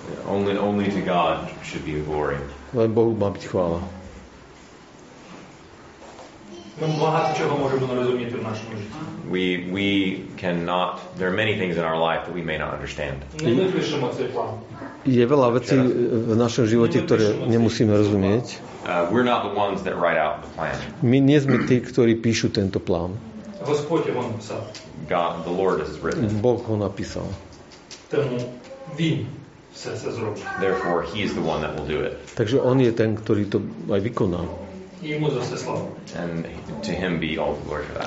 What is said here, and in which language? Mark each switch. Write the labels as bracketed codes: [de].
[en] Only to God should be glory. [uk] Лише Богу має бути хвала. Ми багато чого можемо не розуміти в нашому житті. [en] We cannot, there are many things in our life that we may not understand. [uk] Ми не пишемо цей план. Є велика віці в нашому житті, які не мусимо розуміти. [en] We're not the ones that write out the plan. [uk] Ми не ми ті, які пишуть цей план. Господь його написав. [en] God, the Lord has written. [uk] Бог його написав. Тому він все зробить. [en] Therefore, he is the one that will do it. [uk] Так що він є той, який то виконав. Йому за все слава. [en] And to him be all the glory for that.